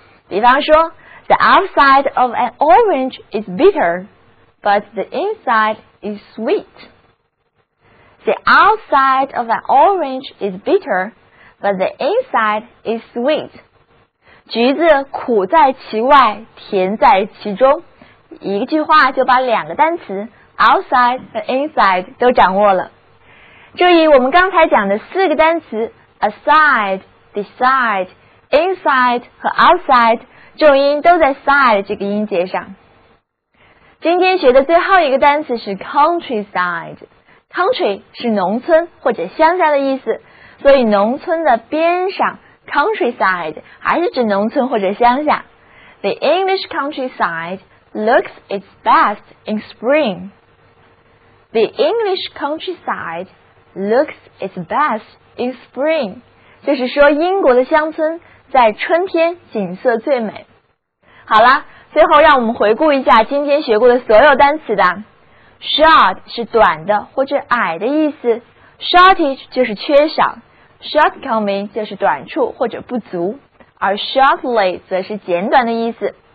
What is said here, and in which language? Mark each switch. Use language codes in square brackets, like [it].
[zh] 比方说 [en] ,the outside of an orange is bitter, but the inside is sweet. The outside of an orange is bitter, but the inside is sweet. [zh] 橘子苦在其外，甜在其中。一句话就把两个单词 outside 和 inside 都掌握了。注意我们刚才讲的四个单词 aside, decide,inside 和 outside 重音都在 side 这个音节上。今天学的最后一个单词是 countryside。country 是农村或者乡下的意思，所以农村的边上 countryside 还是指农村或者乡下。 [en] The English countryside looks its best in spring. The English countryside looks its best in spring. [zh] 就是说英国的乡村在春天景色最美。好啦，最后让我们回顾一下今天学过的所有单词吧。 Short 是短的或者矮的意思， Shortage 就是缺少， Shortcoming 就是短处或者不足，而 Shortly 则是简短的意思。